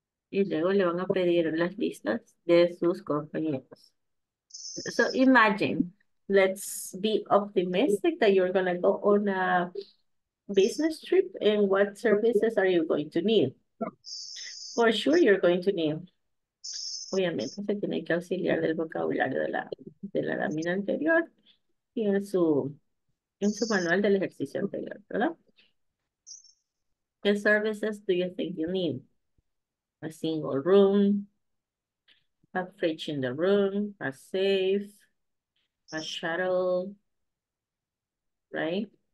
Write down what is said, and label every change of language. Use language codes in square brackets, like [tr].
[es] Y luego le van a pedir las listas de sus compañeros. [en] So imagine, let's be optimistic that you're going to go on a business trip, and what services are you going to need? For sure, you're going to need. [es] Obviamente, se tiene que auxiliar del vocabulario de la lámina anterior y en su manual del ejercicio anterior, ¿verdad? [en] What services do you think you need? A single room, a fridge in the room, a safe, a shuttle, right?